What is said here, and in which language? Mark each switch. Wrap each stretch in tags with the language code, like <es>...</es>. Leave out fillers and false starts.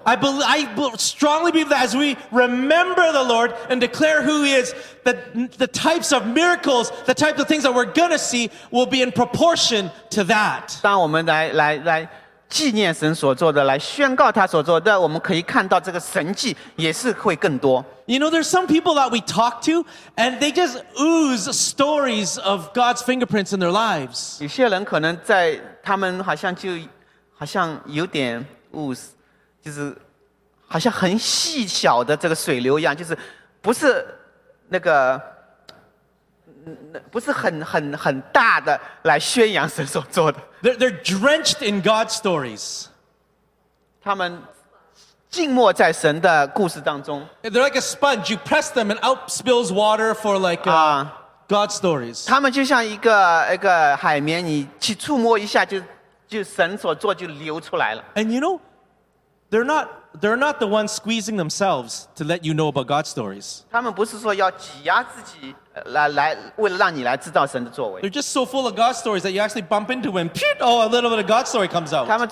<en>I strongly believe that as we remember the Lord and declare who he is, that the types of miracles, the types of things that we're going to see will be in proportion to that.</en> <zh>当我们来纪念神所做的,来宣告他所做的,我们可以看到这个神迹也是会更多。</zh> <en>You know, there's some people that we talk to, and they just ooze stories of God's fingerprints in their lives.</en> <zh>有些人可能在他们好像就 好像有点ooze,就是好像很细小的这个水流一样,就是不是那个,不是很大的来宣扬神所做的。</zh> <en>They're drenched in God's stories.</en> <zh>他们浸没在神的故事当中。</zh> <en>They're like a sponge, you press them and out spills water for like a... God's stories.</en> <zh>他们就像一个海绵,你去触摸一下就...</zh> <en>And you know, they're not the ones squeezing themselves to let you know about God's stories. They're just so full of God's stories that you actually bump into them, and oh, a little bit of God's story comes out.</en>